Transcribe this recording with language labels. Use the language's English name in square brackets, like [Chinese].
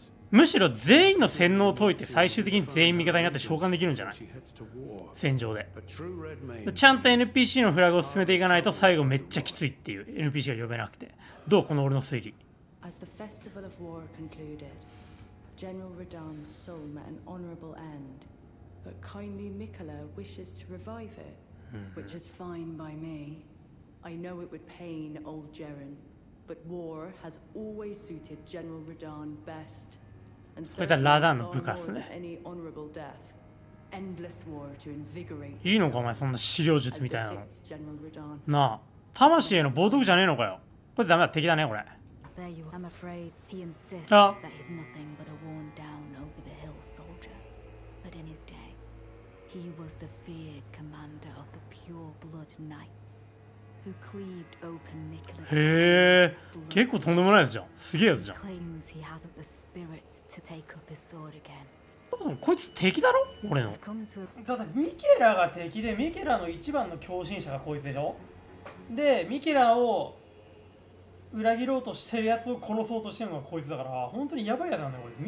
[Japanese] むしろ全員の洗脳を解いて最終的に全員味方になって召喚できるんじゃない、戦場で。ちゃんと NPC のフラグを進めていかないと最後めっちゃきついっていう、 NPC が呼べなくて。どうこの俺の推理。 [English] As the festival of war concluded, General Radahn's soul met an honorable end, but kindly Mikala wishes to revive it, which is fine by me. I know it would pain old Jaren, but war has always suited General Radahn best. And so, far more than any honorable death, endless war to invigorate. [Japanese] いいのかお前そんな資料術みたいなの。なあ、魂への冒涜じゃねえのかよ。これダメだ、敵だねこれ。 [English] I'm afraid he insists that he's nothing but a worn down over the hill soldier. But in his day, he was the feared commander of the pure blood knights who cleaved open Nicholas. [Japanese] へえ、結構とんでもないやつじゃん。すげえやつじゃん。 [English] Claims he hasn't the spirit to take up his sword again. [Japanese] どうぞ、こいつ敵だろ？俺の。だってミケラが敵で、ミケラの一番の狂信者がこいつでしょ。で、ミケラを裏切ろうとしてるやつを殺そうとしてるのがこいつだから、本当にヤバいやつなんだよこれ。